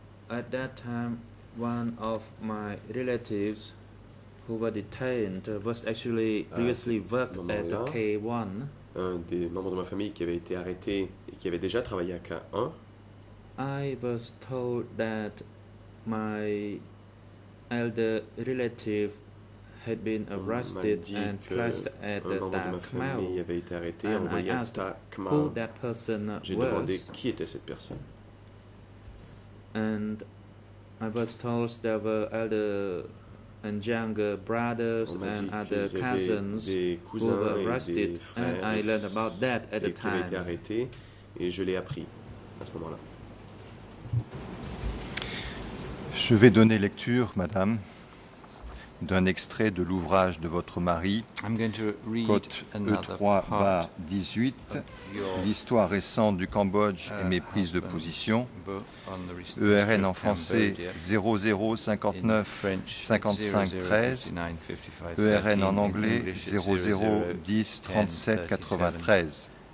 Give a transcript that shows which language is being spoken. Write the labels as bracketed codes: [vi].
[en] At that time, one of my relatives, who were detained, was actually previously worked at K1. [fr] Un des membres de ma famille qui avait été arrêté et qui avait déjà travaillé à K1. [en] I was told that my elder relative had been arrested and placed at the Dark Mao. [fr] Il avait été arrêté, [en] and [fr] envoyé [en] I asked [fr] à Dark Mao. [en] Who that person [fr] J'ai [en] was. [fr] Demandé qui était cette personne. [en] And I was told there were elder and younger brothers and other cousins who were arrested, and I learned about that at the time. [fr] Et qu'il avait été arrêté, et je l'ai appris à ce moment-là. Je vais donner lecture, madame, d'un extrait de l'ouvrage de votre mari, Côte E3-18, l'histoire récente du Cambodge et mes prises de position, ERN en français 00-59-55-13, ERN en anglais 00-10-37-93.